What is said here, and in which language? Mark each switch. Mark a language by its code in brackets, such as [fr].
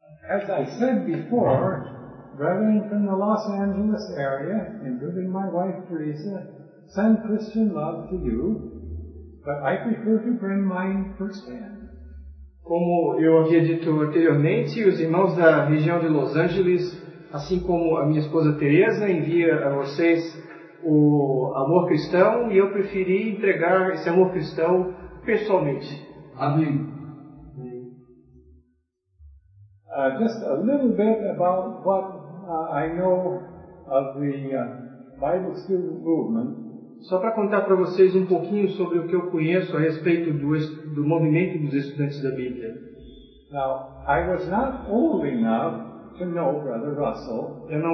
[en] As I said before, driving from the Los Angeles area and bringing my wife Teresa, send Christian love to you, but I prefer to bring mine firsthand. [pt] Como eu havia dito anteriormente, os irmãos da região de Los Angeles, assim como a minha esposa Teresa, envia a vocês o amor cristão, e eu preferi entregar esse amor cristão pessoalmente. Amém. [en] Just a little bit about what I know of the Bible student movement. [pt] Só para contar para vocês um pouquinho sobre o que eu conheço a respeito do movimento dos estudantes da Bíblia. [en] Now, I was not old enough to know Brother Russell.